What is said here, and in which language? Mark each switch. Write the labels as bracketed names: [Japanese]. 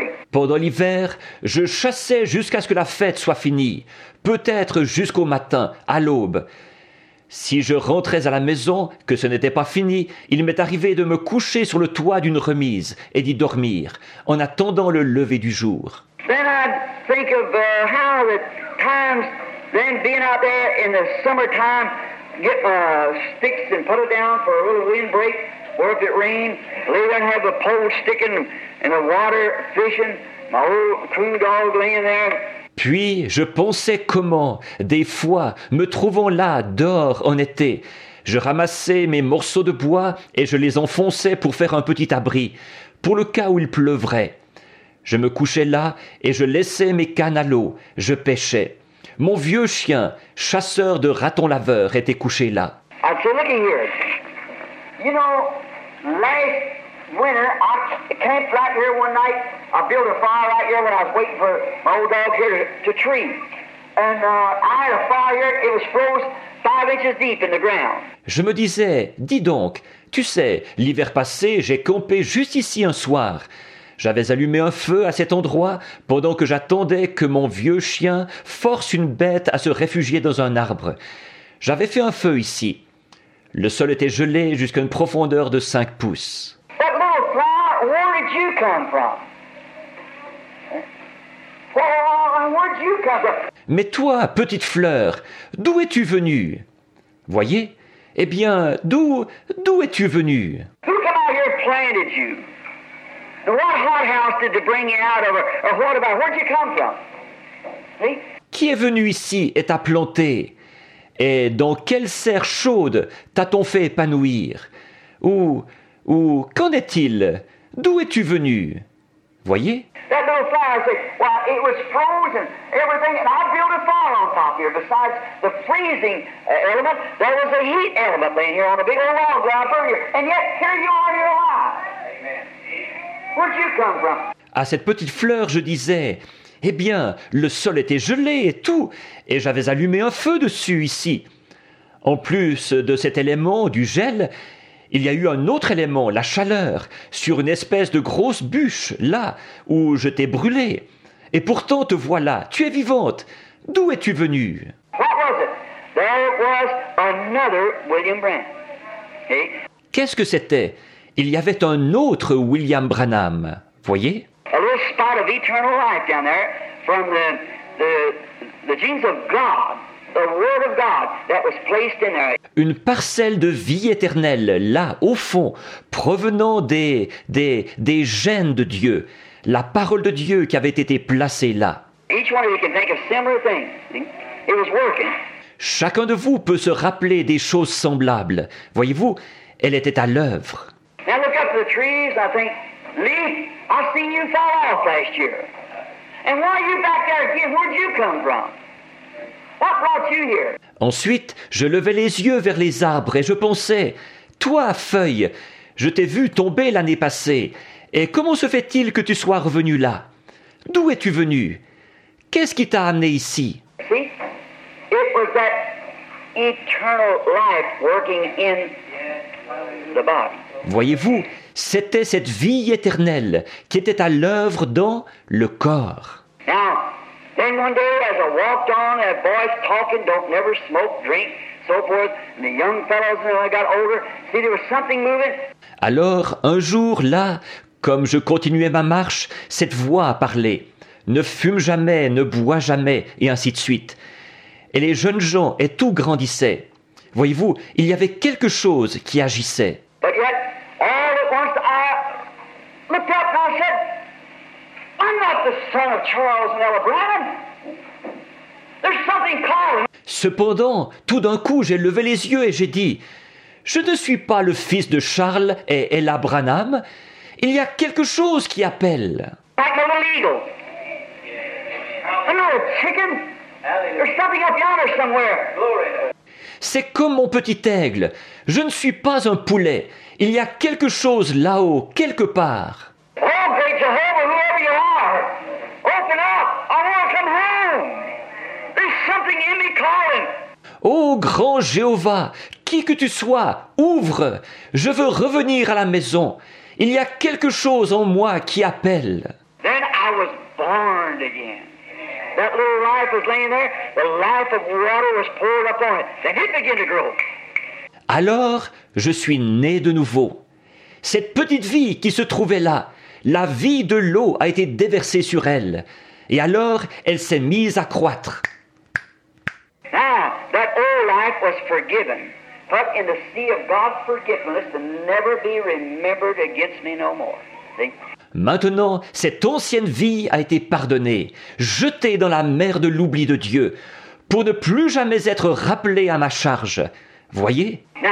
[French] Pendant l'hiver, je chassais jusqu'à ce que la fête soit finie, peut-être jusqu'au matin, à l'aube. Si je rentrais à la maison, que ce n'était pas fini, il m'est arrivé de me coucher sur le toit d'une remise et d'y dormir, en attendant le lever du jour. [English] Then I'd think of how the times, then being out there in the summertime, get my sticks and put it down for a little wind break. Or if it rained, lay there and have a pole sticking in the water, fishing, my old coon dog laying there. [French] Puis je pensais comment, des fois, me trouvant là, dehors, en été, je ramassais mes morceaux de bois et je les enfonçais pour faire un petit abri, pour le cas où il pleuvrait. Je me couchais là et je laissais mes cannes à l'eau, je pêchais. Mon vieux chien, chasseur de ratons laveurs, était couché là. [English] I'd say, look here. You know, last winter, I camped right here one night. I built a fire right here when I was waiting for my old dog here to tree. And I had a fire here. It was froze 5 inches deep in the ground. [French] Je me disais, dis donc, tu sais, l'hiver passé, j'ai campé juste ici un soir. J'avais allumé un feu à cet endroit pendant que j'attendais que mon vieux chien force une bête à se réfugier dans un arbre. J'avais fait un feu ici. Le sol était gelé jusqu'à une profondeur de 5 pouces. [English] That little flower, where did you come from? Where did you come from? [French] Mais toi, petite fleur, d'où es-tu venue? Voyez? Eh bien, d'où es-tu venue? [English] Who came out here and planted you? What hothouse did they bring you out of? Or what about? Where did you come from? See? [French] Qui est venu ici et t'a planté? Et dans quelle serre chaude t'a-t-on fait épanouir? Ou qu'en est-il? D'où es-tu venu? Voyez? [English] That little fire, I said, well, it was frozen, everything, and I built a fire on top here. Besides the freezing element, there was a heat element laying here on a big old log that I burned here. And yet, here you are, you're alive. Amen. Where'd you come from? [French] À cette petite fleur, je disais, eh bien, le sol était gelé et tout, et j'avais allumé un feu dessus ici. En plus de cet élément, du gel, Il y a eu un autre élément, la chaleur, sur une espèce de grosse bûche, là où je t'ai brûlé. Et pourtant, te voilà, tu es vivante. D'où es-tu venue? [English] What was it? There was another William Branham. [French] Qu'est-ce que c'était? Il y avait un autre William Branham, voyez? [English] A little spot of eternal life down there, from the genes of God. The word of God that was placed in there. [French] Une parcelle de vie éternelle, là, au fond, provenant des gènes de Dieu, la parole de Dieu qui avait été placée là. [English] Each one of you can think of similar things. It was working. [French] Chacun de vous peut se rappeler des choses semblables. Voyez-vous, elle était à l'œuvre. [English] Now look up at the trees, I think, Lee, I've seen you fall off last year. And why are you back there again? Where did you come from? What brought you here? [French] Ensuite, je levais les yeux vers les arbres et je pensais, « Toi, feuille, je t'ai vu tomber l'année passée, et comment se fait-il que tu sois revenu là? D'où es-tu venu? Qu'est-ce qui t'a amené ici? » [English] It was that eternal life working in the body. [French] Voyez-vous, c'était cette vie éternelle qui était à l'œuvre dans le corps. [English] Now, then one day, as I walked on, that boy's talking, don't never smoke, drink, so forth, and the young fellows, as I got older, see, there was something moving. [French] Alors, un jour, là, comme je continuais ma marche, cette voix a parlé. Ne fume jamais, ne bois jamais, et ainsi de suite. Et les jeunes gens, et tout grandissait. Voyez-vous, il y avait quelque chose qui agissait. [English] But yet, all at once, I looked up and I said, I'm not the son of Charles and Ella Branham. There's something calling. [French] Cependant, tout d'un coup, j'ai levé les yeux et j'ai dit, je ne suis pas le fils de Charles et Ella Branham. Il y a quelque chose qui appelle. [English] Like a little eagle. Another chicken. There's something up yonder somewhere. Glory. [French] C'est comme mon petit aigle. Je ne suis pas un poulet. Il y a quelque chose là-haut, quelque part. [English] Oh, great Jehovah, whoever you are, open up. I want to come home. There's something in me calling. [French] Oh, grand Jéhovah, qui que tu sois, ouvre. Je veux revenir à la maison. Il y a quelque chose en moi qui appelle. [English] Then I was born again. That little life was laying there. The life of water was poured up on it. Then it began to grow. [French] Alors, je suis né de nouveau. Cette petite vie qui se trouvait là, la vie de l'eau a été déversée sur elle. Et alors, elle s'est mise à croître. [English] Now, that old life was forgiven, put in the sea of God's forgiveness to never be remembered against me no more. See? [French] Maintenant, cette ancienne vie a été pardonnée, jetée dans la mer de l'oubli de Dieu, pour ne plus jamais être rappelée à ma charge. Voyez?